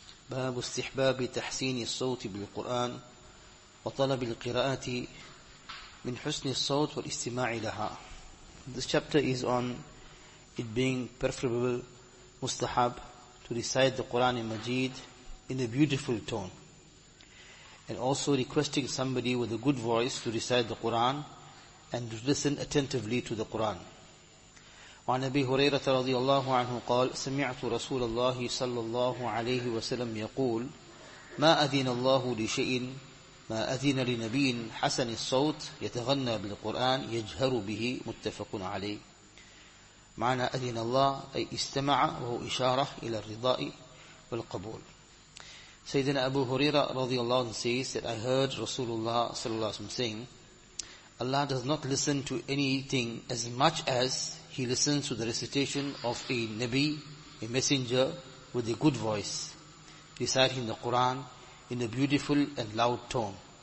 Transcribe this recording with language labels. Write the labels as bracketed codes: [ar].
[ar] باب استحباب تحسين الصوت بالقرآن وطلب القراءة من حسن الصوت والاستماع لها. [en] This chapter is on it being preferable, mustahab, to recite the Quran and Majid in a beautiful tone, and also requesting somebody with a good voice to recite the Quran and to listen attentively to the Quran. [ar] وعن أبي هريرة رضي الله عنه قال سمعت رسول الله صلى الله عليه وسلم يقول ما أذن الله لشيء ما أذن لنبي حسن الصوت يتغنى بالقرآن يجهر به متفق عليه. معنى أذن الله أي استمع وهو إشارة إلى الرضاء والقبول. [en] سيدنا أبو هريرة رضي الله عنه says that I heard رسول الله صلى الله عليه وسلم saying Allah does not listen to anything as much as He listens to the recitation of a Nabi, a messenger, with a good voice, reciting the Quran in a beautiful and loud tone.